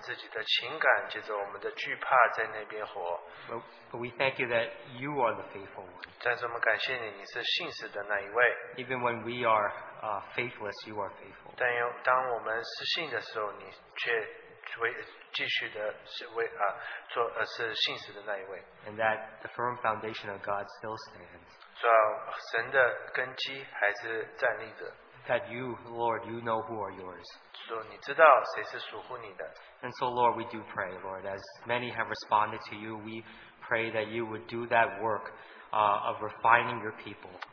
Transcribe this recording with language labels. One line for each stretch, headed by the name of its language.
Chinese: 所以在这末世的年代，何等难的一段时间，主，我们常常是借着我们自己的情感，借着我们的惧怕在那边活。
English: But we thank you that you are the faithful one.
Chinese: 但是我们感谢你，你是信实的那一位。
English: Even when we are faithless, you are faithful.
Chinese: 但当我们失信的时候，你却继续的是信实的那一位。
English: And that the firm foundation of God still stands.
Chinese: 主啊，神的根基还是站立着。
English: That you, Lord, you know who are yours.
Chinese: 主，你知道谁是属乎你的。
English: And so, Lord, we do pray, Lord, as many have responded to you, we pray that you would do that work of refining your people.